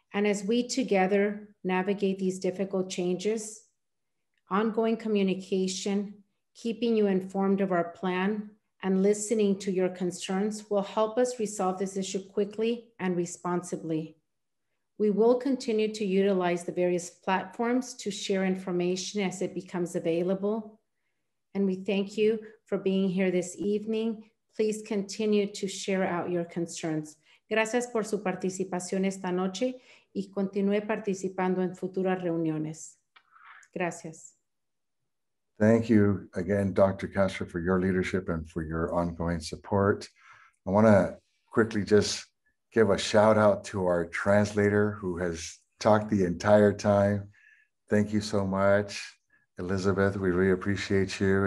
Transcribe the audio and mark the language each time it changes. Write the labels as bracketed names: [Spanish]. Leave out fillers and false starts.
[English] And as we together navigate these difficult changes, ongoing communication, keeping you informed of our plan, and listening to your concerns will help us resolve this issue quickly and responsibly. We will continue to utilize the various platforms to share information as it becomes available. And we thank you for being here this evening. Please continue to share out your concerns. [Spanish] Gracias por su participación esta noche y continúe participando en futuras reuniones. Gracias. [English] Thank you again, Dr. Castro, for your leadership and for your ongoing support. I want to quickly just give a shout out to our translator who has talked the entire time. Thank you so much, Elizabeth. We really appreciate you.